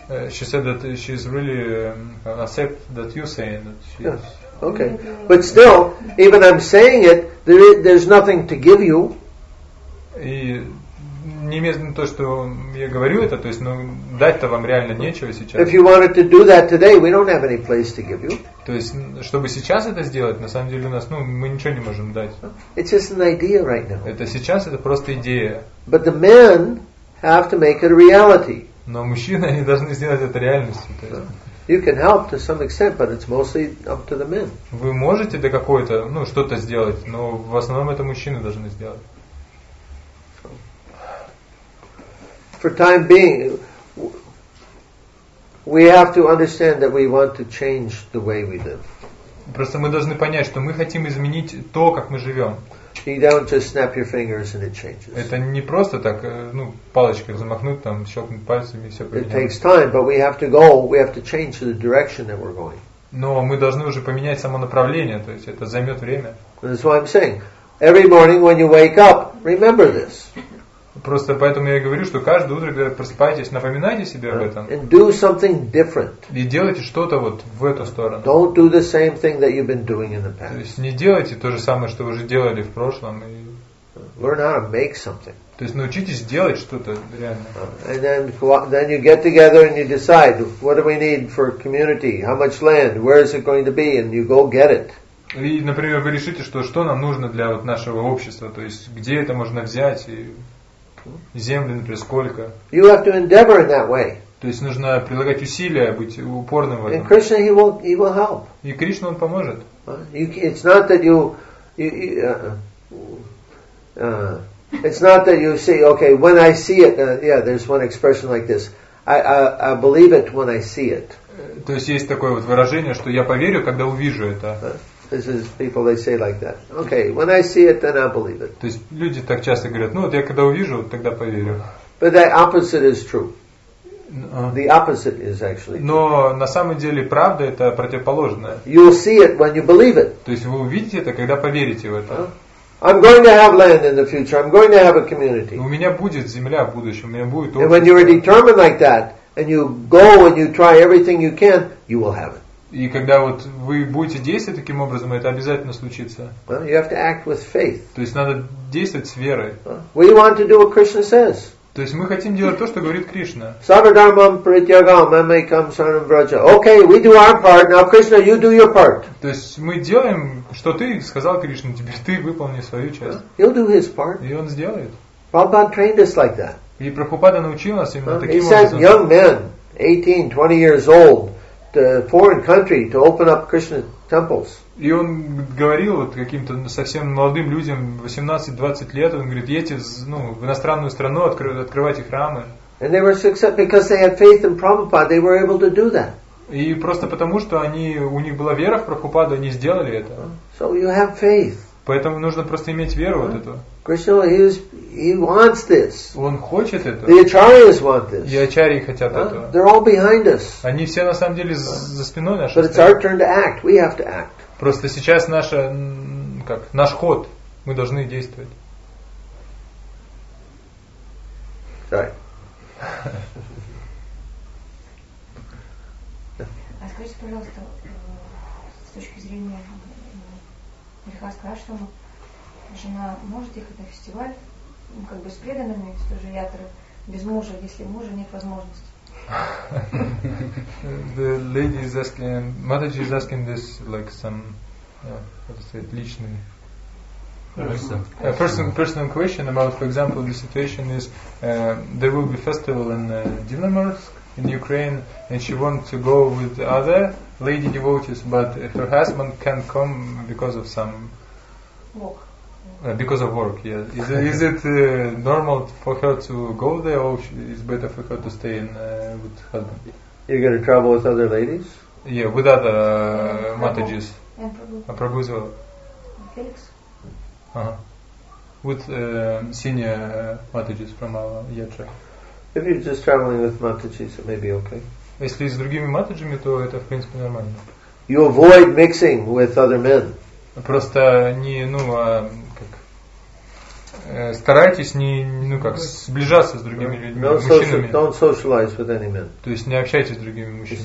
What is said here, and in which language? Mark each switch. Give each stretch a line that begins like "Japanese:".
English: She said that she's really accept that you're saying that. She's yeah. Okay, but still, even I'm saying it, there's nothing to give you.
Russian: И неизвестно то, что я говорю это, то есть, ну, дать-то вам реально нечего сейчас.
English: If you wanted to do that today, we don't have any place to give you.
Russian: То есть, чтобы сейчас это сделать, на самом деле у нас, ну, мы ничего не можем дать.
English: It's just an idea right now.
Russian: Это сейчас, это просто идея.
English: But the men have to make it a reality.
Russian: Но мужчины, они должны сделать это реальностью. То есть.
English: You can help to some extent, but it's mostly up to the men.
Russian: Вы можете до какой-то, ну, что-то сделать, но в основном это мужчины должны сделать.
English: For time being, we have to understand that we want to change the way we live.
Russian: Просто мы должны понять, что мы хотим изменить то, как мы живем.
English: You don't just snap your fingers and it changes.
Russian: Это не просто так, ну, палочкой замахнуть, там, щелкнуть пальцами и все поменять.
English: It takes time, but we have to go, we have to change the direction that we're going.
Russian: Но мы должны уже поменять само направление, то есть это займет время.
English: That's what I'm saying. Every morning when you wake up, remember this.
Russian: Просто поэтому я и говорю, что каждое утро, когда просыпаетесь, напоминайте себе об этом.
English: And do something different.
Russian: И делайте что-то вот в эту сторону.
English: Don't do the same thing that you've been doing in the past.
Russian: То есть не делайте то же самое, что вы уже делали в прошлом. И...
English: Learn how to make something.
Russian: То есть научитесь делать что-то реально.
English: And then you get together and you decide, what do we need for community? How much land? Where is it going to be? And you go get it.
Russian: И, например, вы решите, что нам нужно для вот нашего общества. То есть где это можно взять и... Земли, например, сколько?
English: You have to endeavor in that way.
Russian: То есть нужно прилагать усилия, быть упорным в этом.
English: And Krishna, he will help.
Russian: И Кришна, он поможет.
English: It's not that you It's not that you see, okay, when I see it, yeah, there's one expression like this. I believe it when I see it.
Russian: То есть есть такое вот выражение, что я поверю, когда увижу это.
English: This is people they say like that. Okay, when I see it, then I believe it.
Russian: То есть люди так часто говорят, ну вот я когда увижу, тогда поверю.
English: But the opposite is true. The opposite is actually.
Russian: Но на самом деле правда это противоположное.
English: You'll see it when you believe it.
Russian: То есть вы увидите это, когда поверите в это.
English: I'm going to have land in the future. I'm going to have a community.
Russian: У меня будет земля в будущем. У меня будет.
English: And when you're determined like that, and you go and you try everything you can, you will have it.
Russian: И когда вот вы будете действовать таким образом, это обязательно случится.
English: Well, you have to act with faith.
Russian: То есть надо действовать с верой.
English: We want to do what Krishna says.
Russian: То есть мы хотим делать то, что говорит Кришна.
Sanskrit: Sarvadharmam prityagam, mamekam saranam vraja.
English: Okay, we do our part. Now, Krishna, you do your part.
Russian: То есть мы делаем, что ты сказал Кришна, теперь ты выполни свою часть.
English: He'll do his part.
Russian: И он сделает.
English: Prabhupada trained us like that.
Russian: И Прабхупада научил нас именно таким образом.
English: He says, young men, 18, 20 years old, to foreign country, to open up Krishna temples.
Russian: И он говорил вот каким-то совсем молодым людям, 18-20 лет, он говорит, едьте в, ну, в иностранную страну, открывайте храмы.
English: And they were successful because they had faith in Prabhupada, they were able to do that.
Russian: И просто потому, что они, у них была вера в Прабхупаду, они сделали это.
English: So you have faith.
Russian: Поэтому нужно просто иметь веру вот эту.
English: Krishna, he wants this.
Russian: Он хочет это.
English: The Acharyas want this.
Russian: И Ачарьи хотят этого.
English: They're all behind us.
Russian: Они все на самом деле за спиной нашей.
English: But it's our turn to act. We have to act.
Russian: Просто сейчас наша, как, наш ход. Мы должны действовать.
English: Sorry.
Russian: А скажите, пожалуйста, с точки зрения Верхаска Аштама, жена может ехать на фестиваль, как бы с преданными, с тоже ятры, без мужа, если мужа нет возможности?
English: The lady is asking, Mataji is asking this, like some... Yeah, let's say it,
Russian: личный.
English: Personal question about, for example, the situation is there will be festival in Dinamarsk in Ukraine, and she wants to go with other lady devotees, but her husband can't come because of some work. Because of work, yeah. Is it normal for her to go there, or is better for her to stay in with husband? You're gonna travel with other ladies? Yeah, with other Matajis. And Prabhu as well. Felix. Uh-huh. With senior Matajis from our Yatra. If you're just traveling with Matajis, it may be okay.
Russian: Если с другими Матаджами, то это в принципе нормально.
English: You avoid mixing with other men.
Russian: Просто не, ну, а, как, старайтесь не, ну, как, сближаться с другими людьми, мужчинами.
English: Don't socialize with any men.
Russian: То есть не общайтесь с другими мужчинами.